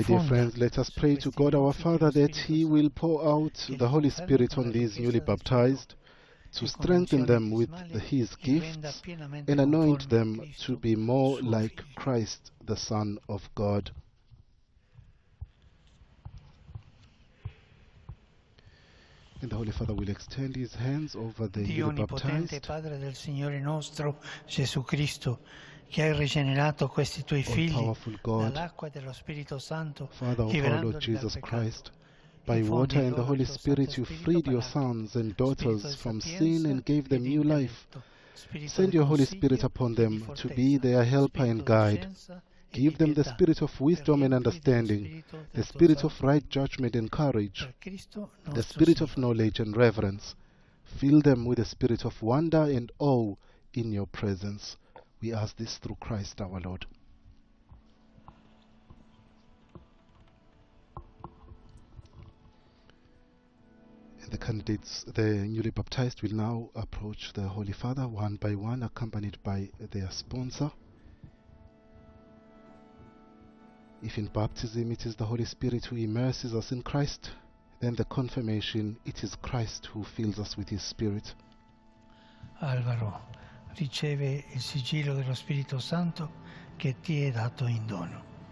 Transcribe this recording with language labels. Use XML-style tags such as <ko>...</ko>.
<en>funda. My dear friends, let us pray to God our Father that he will pour out the Holy Spirit on these newly baptized to strengthen them with his gifts and anoint them to be more like Christ, the Son of God. And the Holy Father will extend his hands over the newly baptized.</en> <it>Dio onnipotente, Padre del Signore nostro Gesù Cristo, che hai rigenerato questi tuoi figli dall'acqua dello Spirito Santo,</it> <en>Father of our Lord Jesus Christ, by water and the Holy Spirit you freed your sons and daughters from sin and gave them new life. Send your Holy Spirit upon them to be their helper and guide. Give them the Spirit of wisdom and understanding, the Spirit of right judgment and courage, the Spirit of knowledge and reverence. Fill them with the Spirit of wonder and awe in your presence. We ask this through Christ our Lord. And the candidates, the newly baptized, will now approach the Holy Father one by one, accompanied by their sponsor. If in baptism it is the Holy Spirit who immerses us in Christ, Then the confirmation, it is Christ who fills us with his Spirit.</en> <it>Alvaro, riceve il sigillo dello Spirito Santo che ti è dato in dono.</it>